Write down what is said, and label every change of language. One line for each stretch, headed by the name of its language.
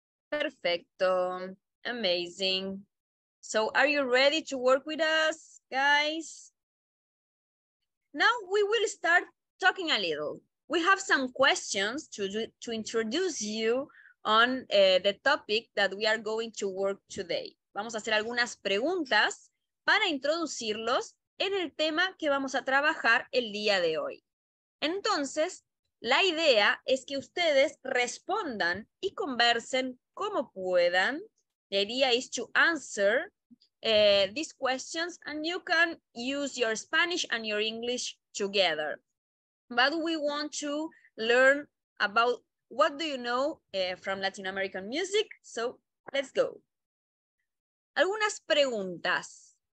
Spanish: Perfecto. Amazing.
English: So are you ready to work with us, guys? Now we will start talking a little. We have some questions to introduce you on the topic that we are going to work today.
Spanish: Vamos a hacer algunas preguntas para introducirlos en el tema que vamos a trabajar el día de hoy. Entonces, la idea es que ustedes respondan y conversen como puedan.
English: The idea is to answer these questions, and you can use your Spanish and your English together. But we want to learn about what do you know from Latin American music? So, let's go.
Spanish: Algunas preguntas.